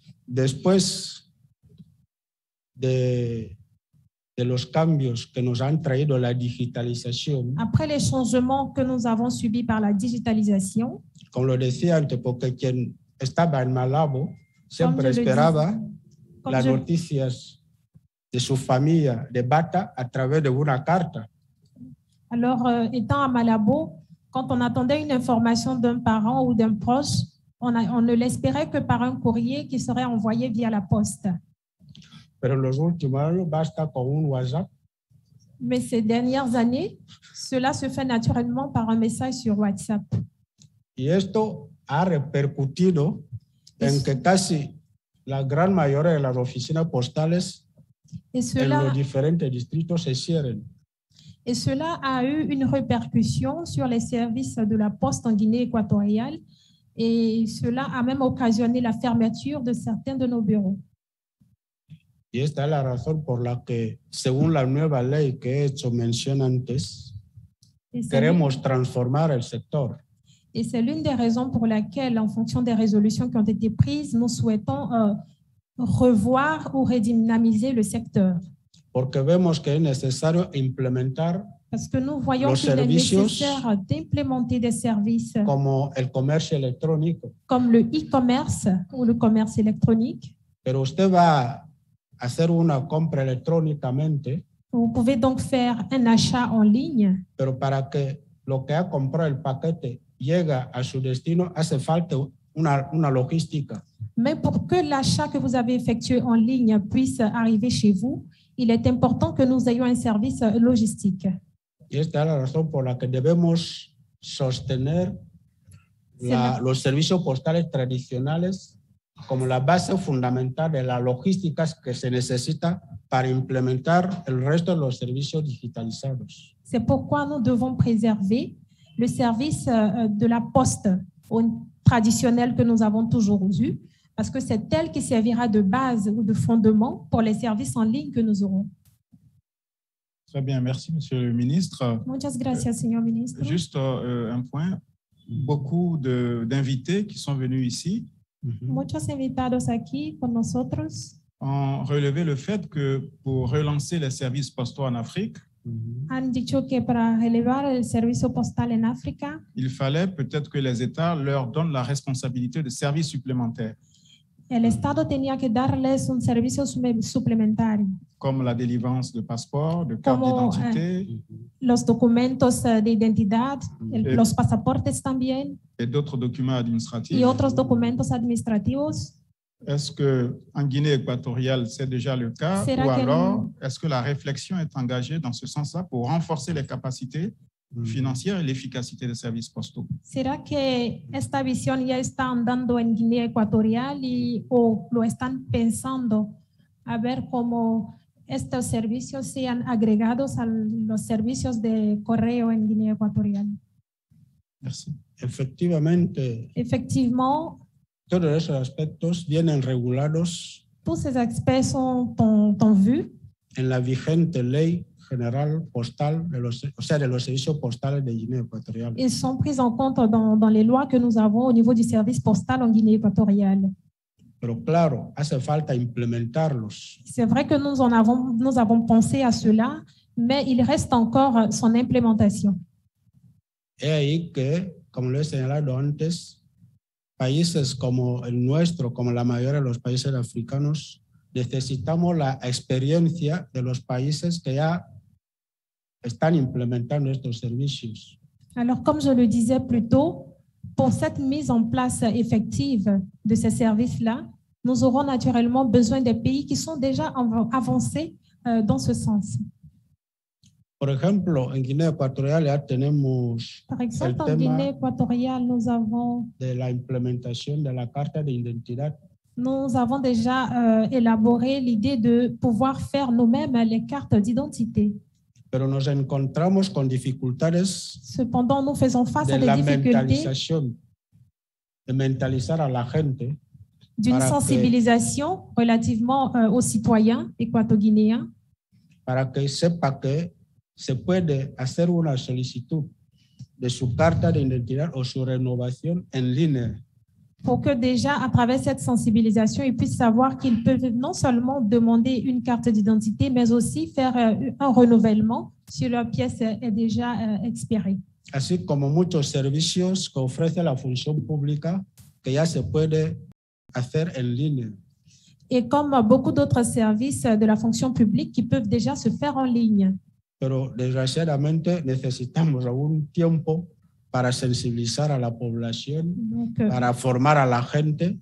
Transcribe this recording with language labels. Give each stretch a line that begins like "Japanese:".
Spanish: después de los cambios que nos han traído la digitalización,
French: après les changements que nous avons subis par la digitalisation,
Spanish: como lo decía antes, porque quien estaba en Malabo, siempre esperaba las noticias de su familia, de Bata, a través de una carta.
French: Alors, étant à Malabo, quand on attendait une information d'un parent ou d'un proche, on ne l'espérait que par un courrier qui serait envoyé via la poste.
Spanish: Pero los últimos años basta con un WhatsApp.
French: Mais ces dernières années, cela se fait naturellement par un message sur WhatsApp.
Spanish: Y esto ha repercutido en que casi la gran mayoría de las oficinas postales en los diferentes distritos se cierren.
French: Et cela a eu une répercussion sur les services de la poste en Guinée équatoriale et cela a même occasionné la fermeture de certains de nos bureaux.
Spanish: Y esta es la razón por la que, según la nueva ley que he hecho mención antes, queremos transformar el sector.
French: Et c'est l'une des raisons pour laquelle, en fonction des résolutions qui ont été prises, nous souhaitons revoir ou redynamiser le secteur.
Spanish: Porque vemos que es necesario implementar los servicios,
French: d'implémenter des services
Spanish: como el comercio electrónico,
French: comme le e-commerce ou le commerce électronique.
Spanish: Pero usted va hacer una compra electrónicamente.
French: Vous pouvez donc faire un achat en ligne.
Spanish: Pero para que lo que ha comprado el paquete llegue a su destino, hace falta una logística.
French: Mais pour que l'achat que vous avez effectué en ligne puisse arriver chez vous, il est important que nous ayons un service logistique.
Spanish: Y esta es la razón por la que debemos sostener los servicios postales tradicionales como la base fundamental de las logísticas que se necesita para implementar el resto de los servicios digitalizados.
French: C'est pourquoi nous devons préserver le service de la poste traditionnelle que nous avons toujours eu, parce que c'est elle qui servira de base ou de fondement pour les services en ligne que nous aurons. Très bien, merci Monsieur le Ministre.
Spanish: Muchas gracias, señor Ministro.
French: Juste un point, beaucoup d'invités qui sont venus ici.
Spanish: Muchos invitados aquí con nosotros.
French: Ont relevé le fait que pour relancer les services postaux en Afrique,
Spanish: han dicho que para relevar el servicio postal en África,
French: il fallait peut-être que les États leur donnent la responsabilité de services supplémentaires.
Spanish: El Estado tenía que darles un servicio suplementario. Como
French: la délivrance de passeport, de carte d'identité.
Spanish: Los documentos de identidad, los pasaportes también.
French: Et d'autres documents administratifs.
Spanish: Y otros documentos administrativos.
French: Est-ce qu'en Guinée équatoriale, c'est déjà le cas?
Spanish: Será
French: ou alors, est-ce que la réflexion est engagée dans ce sens-là pour renforcer les capacités financière et l'efficacité des services postaux.
Spanish: ¿Será que esta visión ya está andando en Guinea Ecuatorial y o lo están pensando a ver cómo estos servicios sean agregados a los servicios de correo en Guinea Ecuatorial?
French: Merci.
Spanish: Efectivamente.
French: Effectivement.
Spanish: Todos esos aspectos vienen regulados.
French: Tous ces aspects sont en vue.
Spanish: En la vigente ley general postal de los servicios postales de Guinea Ecuatorial.
French: Ils sont pris en compte dans les lois que nous avons au niveau du service postal en Guinée Équatoriale.
Spanish: Pero claro, hace falta implementarlos.
French: C'est vrai que nous avons pensé à cela, mais il reste encore son implémentation.
Spanish: Et ahí que, como lo he señalado antes, países como el nuestro, como la mayoría de los países africanos, necesitamos la experiencia de los países que ya están implementando estos servicios.
French: Alors, comme je le disais plus tôt, pour cette mise en place effective de ces services-là, nous aurons naturellement besoin des pays qui sont déjà avancés dans ce sens.
Spanish: Por ejemplo, en Guinea Ecuatorial ya tenemos de la implementación de la carta de identidad.
French: Nous avons déjà élaboré l'idée de pouvoir faire nous-mêmes les cartes d'identité.
Spanish: Pero nos encontramos con dificultades.
French: Cependant, nous faisons face à des difficultés
Spanish: de mentalizar a la gente,
French: d'une sensibilisation relativement aux citoyens équato-guinéens.
Spanish: Para que sepa que se puede hacer una solicitud de su carta de identidad o su renovación en línea.
French: Pour que déjà, à travers cette sensibilisation, ils puissent savoir qu'ils peuvent non seulement demander une carte d'identité, mais aussi faire un renouvellement si leur pièce est déjà expirée.
Spanish: Así como muchos servicios que ofrece la función pública, que ya se puede hacer en línea.
French: Et comme beaucoup d'autres services de la fonction publique qui peuvent déjà se faire en ligne.
Spanish: Pero desgraciadamente necesitamos algún tiempo para sensibilizar a la población, para formar a la gente.